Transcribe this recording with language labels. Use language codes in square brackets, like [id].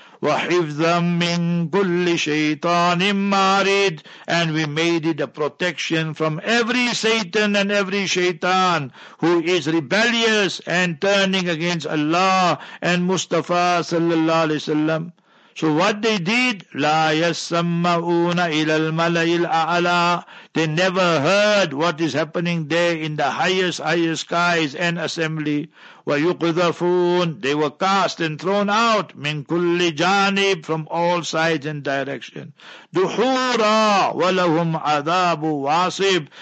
[ar] وَحِفْظًا مِّن كُلِّ شَيْطَانٍ مَّارِدٍ. [en] And we made it a protection from every Satan and every Shaitan who is rebellious and turning against Allah and Mustafa sallallahu alayhi wa sallam. So what they did, [ar] لَا يَسَّمَّعُونَ إِلَى الْمَلَئِ الْأَعْلَى. [en] They never heard what is happening there in the highest, highest skies and assembly. [ar] وَيُقْذَفُونَ. [en] They were cast and thrown out, [ar] مِنْ كُلِّ جَانِبٍ, [en] from all sides and direction. [ar] دُحُورًا. وَلَهُمْ عَذَابُ وَاصِبٍ.